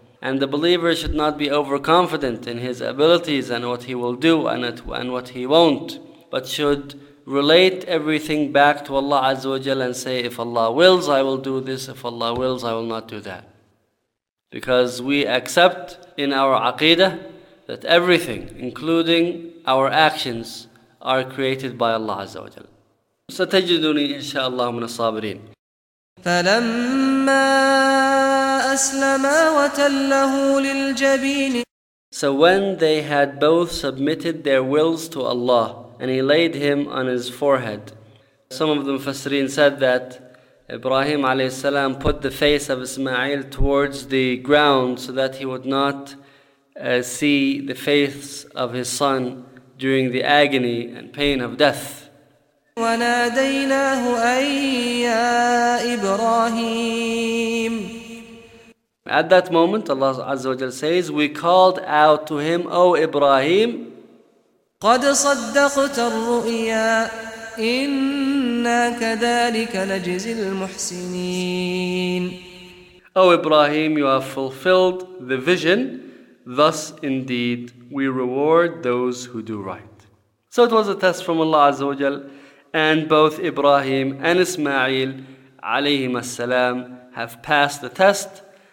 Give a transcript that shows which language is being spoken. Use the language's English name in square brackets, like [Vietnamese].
[English] And the believer should not be overconfident in his abilities and what he will do and what he won't, but should relate everything back to Allah Azza wa Jal and say, if Allah wills, I will do this. If Allah wills, I will not do that. Because we accept in our aqidah that everything, including our actions, are created by Allah Azza wa Jal. [Arabic] ستجدني إن شاء الله من الصابرين. فلما أسلما وتله للجبين. [English] So when they had both submitted their wills to Allah and he laid him on his forehead, some of the Mufassirin said that Ibrahim alayhi salam put the face of Ismail towards the ground so that he would not see the face of his son during the agony and pain of death. [Arabic] وناديناه أي يا إبراهيم. [English] At that moment, Allah Azza wa Jal says, we called out to him, O Ibrahim. [Arabic] قد صدقت الرؤيا إنا كذلك نجزي المحسنين. [English] O Ibrahim, you have fulfilled the vision. Thus indeed, we reward those who do right. So it was a test from Allah Azza wa Jal. And both Ibrahim and Ismail alayhim as-salam have passed the test.